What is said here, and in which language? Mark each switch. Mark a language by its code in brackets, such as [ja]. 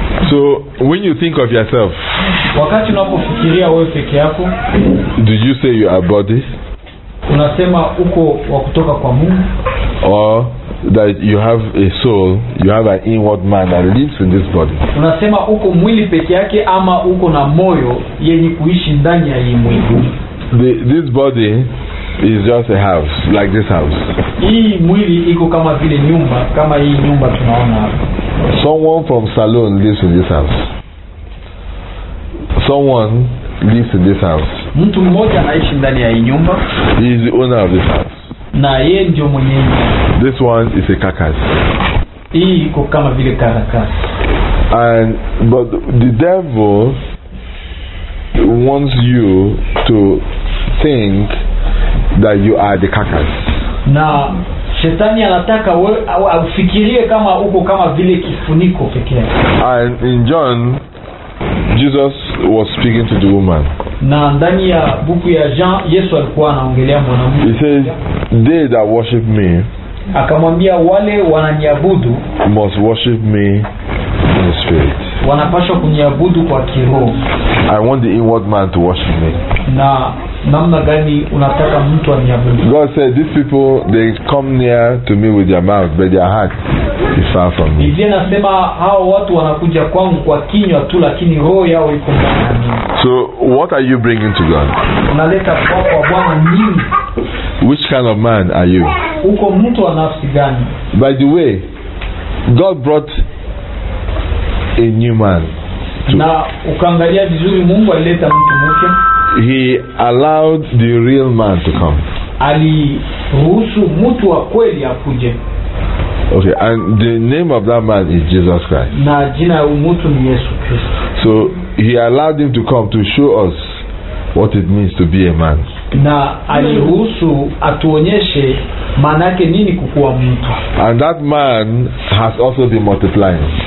[en] So when you think of yourself, [sw] wakati unapofikiria wewe peke yako, [en] do you say you are body? [sw] Unasema uko wa kutoka kwa Mungu? [en] Or that you have a soul, you have an inward man that lives in this body? [sw] Unasema uko mwili peke yake ama uko na moyo yenye kuishi ndani ya hii mwili? [en] This body is just a house, like this house. [sw] Hii mwili iko kama vile nyumba, kama hii nyumba tunaona. [en] Someone from Salon lives in this house. Someone lives in this house. [sw] Mtu mmoja anaishi ndani ya hii nyumba. [en] He is the owner of this house. [sw] Na yeye ndio mwenyeji. [en] This one is a carcass. [sw] Hii iko kama vile carcass. [en] And but the devil wants you to think that you are the carcass. [sw] Na shetani anataka wewe ufikirie kama uko kama vile kifuniko peke yake. [en] And in John, Jesus was speaking to the woman. [sw] Na ndani ya buku ya Jean, Yesu alikuwa anaongelea mwanamke. [en] He says, they that worship me, [sw] akamwambia wale wananiabudu, [en] must worship me in the spirit. [sw] Wanapaswa kuniabudu kwa kiroho. [en] I want the inward man to worship me. [sw] Na namna gani unataka mtu aniabudu? [en] God said, these people, they come near to me with their mouth, but their heart is far from me. [sw] Biblia inasema hao watu wanakuja kwangu kwa kinywa tu, lakini roho yao iko mbali. [en] So what are you bringing to God? [sw] Unaleta kwa Bwana nini? [en] Which kind of man are you? [sw] Uko mtu wa nafsi gani? [en] By the way, God brought a new man. [sw] Na ukaangalia vizuri, Mungu alileta mtu mpya. [en] He allowed the real man to come. [sw] Aliruhusu mtu wa kweli akuje. [en] Okay, and the name of that man is Jesus Christ. [sw] Na jina ya mtu ni Yesu Kristo. [en] So he allowed him to come to show us what it means to be a man. [sw] Na aliruhusu atuonyeshe maana yake nini kukua mtu. [en] And that man has also been multiplying.